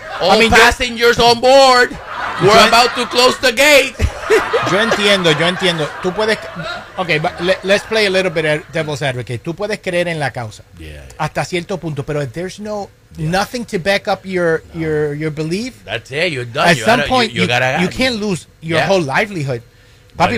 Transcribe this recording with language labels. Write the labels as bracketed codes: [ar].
[en] All passengers on board. We're about to close the gate. [es] Yo entiendo. Tú puedes... [en] Ok, let's play a little bit of devil's advocate. [es] Tú puedes creer en la causa. [en] Yeah. [es] Hasta cierto punto, pero [en] there's no... Yeah. Nothing to back up your belief. That's it. You're done. At some point, you can't lose your whole livelihood, papi.